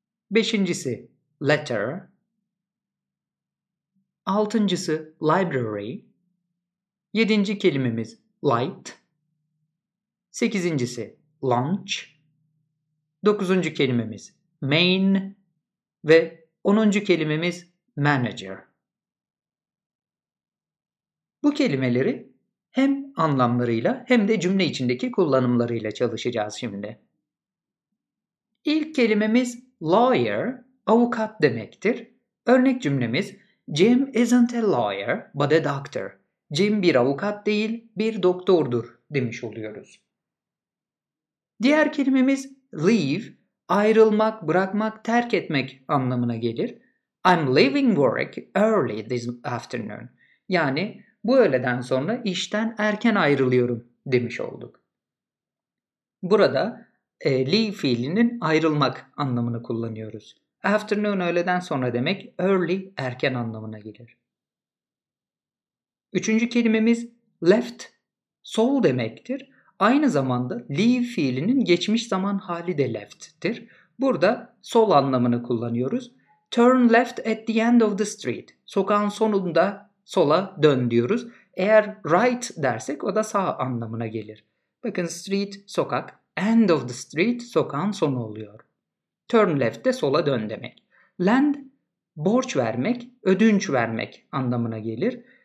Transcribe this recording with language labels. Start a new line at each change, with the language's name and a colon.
Turkish: Beşincisi letter, altıncısı library, yedinci kelimemiz light, sekizincisi lunch, dokuzuncu kelimemiz main ve onuncu kelimemiz manager. Bu kelimeleri hem anlamlarıyla hem de cümle içindeki kullanımlarıyla çalışacağız şimdi. İlk kelimemiz lawyer, avukat demektir. Örnek cümlemiz,
English: Jim isn't a lawyer, but a doctor.
Turkish: Jim bir avukat değil, bir doktordur demiş oluyoruz. Diğer kelimemiz leave, ayrılmak, bırakmak, terk etmek anlamına gelir.
English: I'm leaving work early this afternoon.
Turkish: Yani bu öğleden sonra işten erken ayrılıyorum demiş olduk. Burada leave fiilinin ayrılmak anlamını kullanıyoruz. Afternoon öğleden sonra demek early erken anlamına gelir. Üçüncü kelimemiz left sol demektir. Aynı zamanda leave fiilinin geçmiş zaman hali de left'tir. Burada sol anlamını kullanıyoruz.
English: Turn left at the end of the street.
Turkish: Sokağın sonunda sola dön diyoruz. Eğer right dersek o da sağ anlamına gelir. Bakın street sokak.
English: End of the street,
Turkish: sokağın sonu oluyor. Turn left de sola dön demek. Lend, borç vermek, ödünç vermek anlamına gelir.